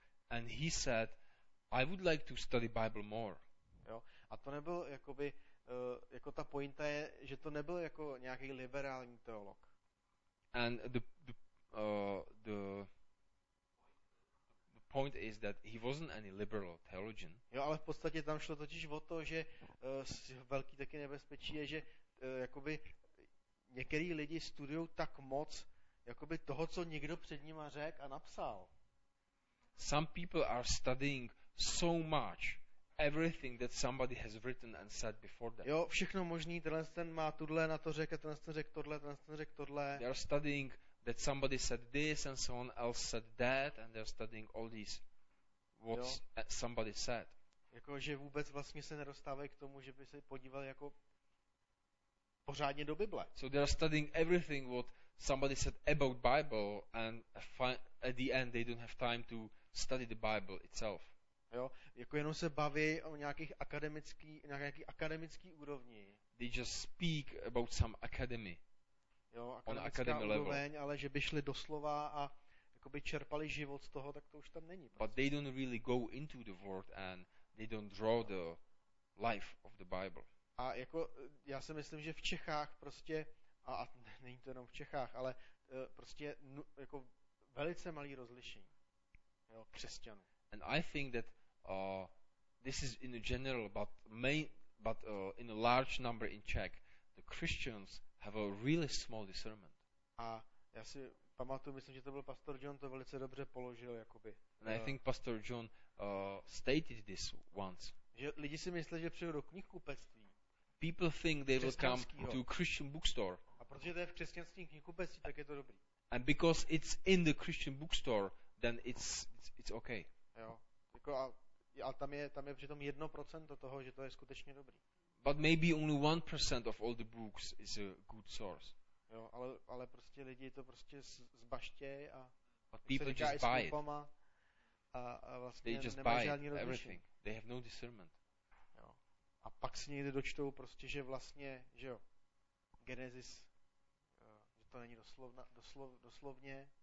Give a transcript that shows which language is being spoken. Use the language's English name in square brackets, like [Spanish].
[English] And he said, I would like to study Bible more. [Czech] Jo, a to nebyl jakoby jako ta pointa je, že to nebyl jako nějaký liberální teolog. [English] And the point is that he wasn't any liberal theologian. [Czech] Jo, ale v podstatě tam šlo totiž o to, že velký taky nebezpečí je, že jakoby některý lidi studují tak moc jakoby toho, co někdo před nima řekl a napsal. [English] Some people are studying so much everything that somebody has written and said before them. [Czech] Jo, všechno možný, tenhle ten má tudle na to řek, tenhle ten řek tohle. [English] They are studying that somebody said this and someone else said that and they are studying all these what somebody said. [Czech] Jako, že vůbec vlastně se nedostávají k tomu, že by se podíval jako pořádně do Bible. [English] So they are studying everything what somebody said about Bible and at the end they don't have time to study the Bible itself. [Czech] Jo, jako jenom se baví o nějakých nějaký akademický úrovni. [English] They just speak about some academy. [Czech] Jo, akademická úroveň, level. Ale že by šli doslova a jakoby čerpali život z toho, tak to už tam není. [English] But prostě. They don't really go into the word and they don't draw the life of the Bible. [Czech] A jako já si myslím, že v Čechách prostě a není to jenom v Čechách, ale prostě jako velice malý rozlišení, jo, křesťanů. [English] And I think that this is in general, but in a large number in Czech, the Christians have a really small discernment. [Czech] A já si pamatuju, myslím, že to byl pastor John, to velice dobře položil, jakoby. [English] And I think pastor John stated this once. [Czech] Že lidi si myslí, že přijdou do knihkupectví. [English] People think they will come to a Christian bookstore. [Czech] A protože to je v křesťanském knihkupectví, tak je to dobrý. [English] And because it's in the Christian bookstore, then it's okay. [Czech] Jo, jako a tam je přitom 1% toho, že to je skutečně dobrý. [English] But maybe only 1% of all the books is a good source. [Czech] Jo, ale prostě lidi to prostě zbaštějí a [English] but people [Czech] říká, [English] just buy it. [Czech] A vlastně [English] they just buy everything. They have no discernment. [Czech] Jo. A pak si někde dočtou prostě, že vlastně, že jo, Genesis, že to není doslovně.